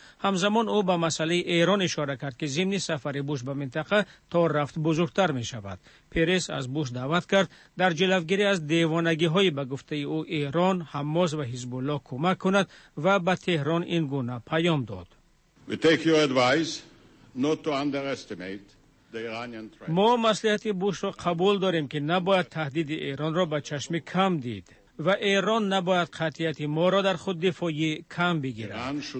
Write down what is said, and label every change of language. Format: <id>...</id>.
<fa>همزمان او به مسئله ایران اشاره کرد که ضمن سفر بوش به منطقه تا رفت بزرگتر می شود. پیرس از بوش دعوت کرد در جلوگیری از دیوانگی های به گفته او ایران، حماس و حزب الله کمک کند و به تهران این گونه پیام داد.</fa> <en>We take your advice not to underestimate.</en> <fa>ما مصلحت بوش را قبول داریم که نباید تهدید ایران را به چشم کم دید و ایران نباید قطعیت ما را در خود دفاعی کم بگیرد.</fa>